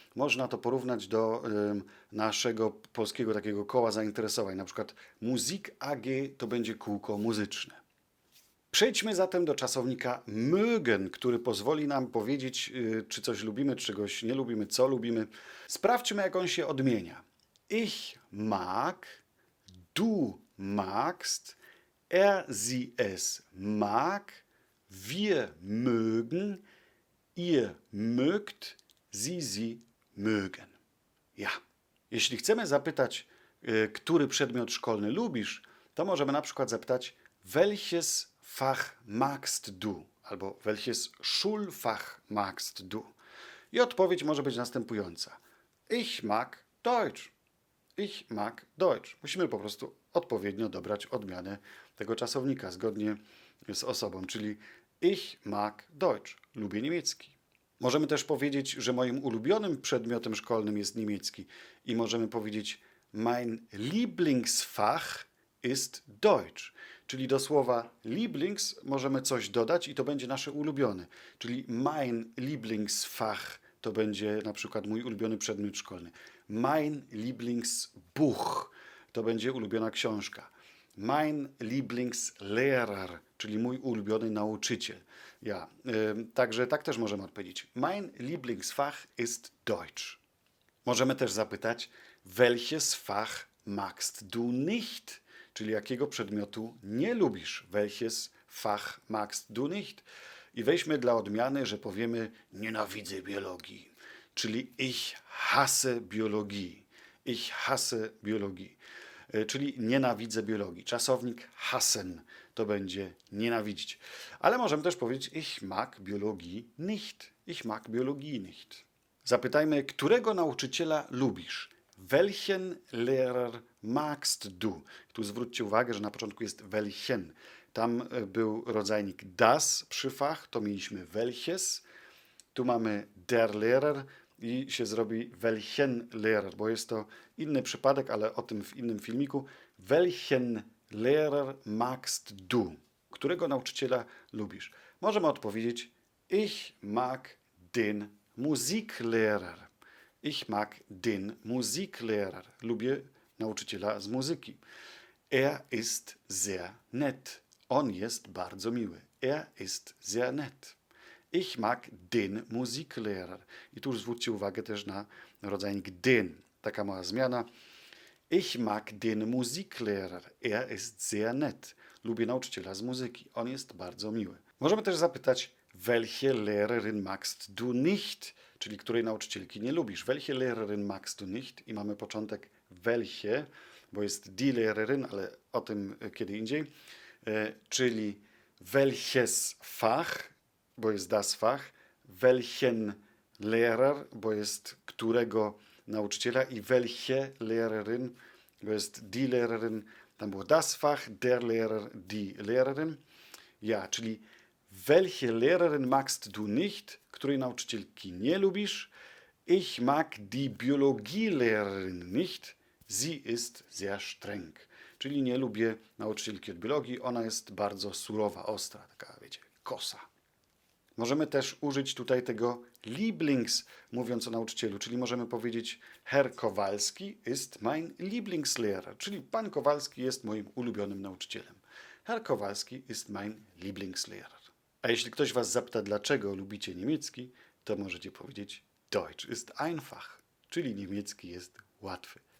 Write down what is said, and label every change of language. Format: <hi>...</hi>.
<pl>Można to porównać do naszego polskiego takiego koła zainteresowań. Na przykład Musik AG to będzie kółko muzyczne. Przejdźmy zatem do czasownika mögen, który pozwoli nam powiedzieć, czy coś lubimy, czegoś nie lubimy, co lubimy. Sprawdźmy, jak on się odmienia.</pl> <de>Ich mag, du magst, er, sie, es mag, wir mögen, ihr mögt, sie, sie mögen. Ja.</de> <pl>Jeśli chcemy zapytać, który przedmiot szkolny lubisz, to możemy na przykład zapytać,</pl> <de>welches Fach magst du?</de> <pl>Albo</pl> <de>welches Schulfach magst du?</de> <pl>I odpowiedź może być następująca.</pl> <de>Ich mag Deutsch. Ich mag Deutsch.</de> <pl>Musimy po prostu odpowiednio dobrać odmianę tego czasownika zgodnie z osobą, czyli</pl> <de>ich mag Deutsch.</de> <pl>Lubię niemiecki. Możemy też powiedzieć, że moim ulubionym przedmiotem szkolnym jest niemiecki i możemy powiedzieć</pl> <de>mein Lieblingsfach ist Deutsch.</de> <pl>Czyli do słowa Lieblings możemy coś dodać i to będzie nasze ulubione. Czyli</pl> <de>mein Lieblingsfach</de> <pl>to będzie na przykład mój ulubiony przedmiot szkolny.</pl> <de>Mein Lieblingsbuch</de> <pl>to będzie ulubiona książka.</pl> <de>Mein Lieblingslehrer,</de> <pl>czyli mój ulubiony nauczyciel. Ja. Także tak też możemy odpowiedzieć.</pl> <de>Mein Lieblingsfach ist Deutsch.</de> <pl>Możemy też zapytać,</pl> <de>welches Fach magst du nicht?</de> <pl>Czyli jakiego przedmiotu nie lubisz?</pl> <de>Welches Fach magst du nicht?</de> <pl>I weźmy dla odmiany, że powiemy nienawidzę biologii. Czyli</pl> <de>ich hasse biologii. Ich hasse biologii.</de> <pl>Czyli nienawidzę biologii. Czasownik hassen to będzie nienawidzić. Ale możemy też powiedzieć</pl> <de>ich mag biologii nicht. Ich mag biologii nicht.</de> <pl>Zapytajmy, którego nauczyciela lubisz?</pl> <de>Welchen Lehrer magst du?</de> <pl>Tu zwróćcie uwagę, że na początku jest welchen. Tam był rodzajnik das przy fach, to mieliśmy welches. Tu mamy</pl> <de>der Lehrer</de> <pl>i się zrobi</pl> <de>welchen Lehrer,</de> <pl>bo jest to inny przypadek, ale o tym w innym filmiku.</pl> <de>Welchen Lehrer magst du?</de> <pl>Którego nauczyciela lubisz? Możemy odpowiedzieć</pl> <de>ich mag den Musiklehrer. Ich mag den Musiklehrer.</de> <pl>Lubię nauczyciela z muzyki.</pl> <de>Er ist sehr nett.</de> <pl>On jest bardzo miły.</pl> <de>Er ist sehr nett. Ich mag den Musiklehrer.</de> <pl>I tu już zwróćcie uwagę też na rodzajnik den. Taka mała zmiana.</pl> <de>Ich mag den Musiklehrer. Er ist sehr nett.</de> <pl>Lubię nauczyciela z muzyki. On jest bardzo miły. Możemy też zapytać,</pl> <de>welche Lehrerin magst du nicht?</de> <pl>Czyli której nauczycielki nie lubisz.</pl> <de>Welche Lehrerin magst du nicht?</de> <pl>I mamy początek welche, bo jest</pl> <de>die Lehrerin,</de> <pl>ale o tym kiedy indziej. Czyli</pl> <de>welches Fach,</de> <pl>bo jest</pl> <de>das Fach. Welchen Lehrer,</de> <pl>bo jest którego nauczyciela. I</pl> <de>welche Lehrerin,</de> <pl>bo jest</pl> <de>die Lehrerin,</de> <pl>Tam było</pl> <de>das Fach, der Lehrer, die Lehrerin.</de> <pl>Ja, czyli</pl> <de>welche Lehrerin magst du nicht?</de> <pl>Której nauczycielki nie lubisz?</pl> <de>Ich mag die Biologielehrerin nicht. Sie ist sehr streng.</de> <pl>Czyli nie lubię nauczycielki od biologii. Ona jest bardzo surowa, ostra, taka, wiecie, kosa. Możemy też użyć tutaj tego Lieblings, mówiąc o nauczycielu, czyli możemy powiedzieć</pl> <de>Herr Kowalski ist mein Lieblingslehrer,</de> <pl>czyli pan Kowalski jest moim ulubionym nauczycielem.</pl> <de>Herr Kowalski ist mein Lieblingslehrer.</de> <pl>A jeśli ktoś was zapyta, dlaczego lubicie niemiecki, to możecie powiedzieć</pl> <de>Deutsch ist einfach,</de> <pl>czyli niemiecki jest łatwy.</pl>